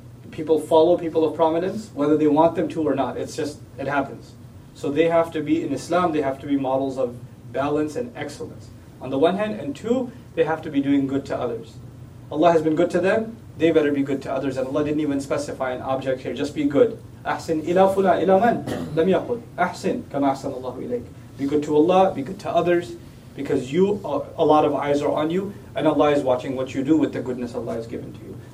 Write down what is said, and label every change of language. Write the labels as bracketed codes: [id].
[en] People follow people of prominence, whether they want them to or not. It's just, it happens. So they have to be, in Islam, they have to be models of balance and excellence. On the one hand, and two, they have to be doing good to others. Allah has been good to them, they better be good to others. And Allah didn't even specify an object here, just be good. [ar] أحسن إلى فلان إلى من لم يقل أحسن كما أحسن الله إليك. [en] Be good to Allah, be good to others, because you, a lot of eyes are on you, and Allah is watching what you do with the goodness Allah has given to you.